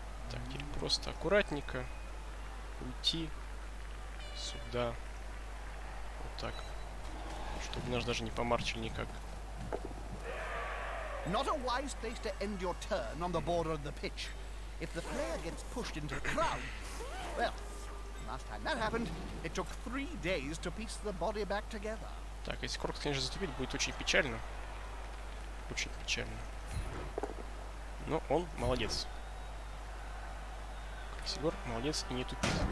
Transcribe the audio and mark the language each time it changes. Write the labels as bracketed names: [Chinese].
[Russian] Так, теперь просто аккуратненько уйти сюда. Вот так. Чтобы нас даже не помарчили никак. [English] Not a wise place to end your turn on the border of the pitch. If the player gets pushed into the crowd, well, last time that happened, it took three days to piece the body back together. [Russian] Так, если корпус, конечно, затупит, будет очень печально. Очень печально. Но он молодец. Сигур молодец и не тупит.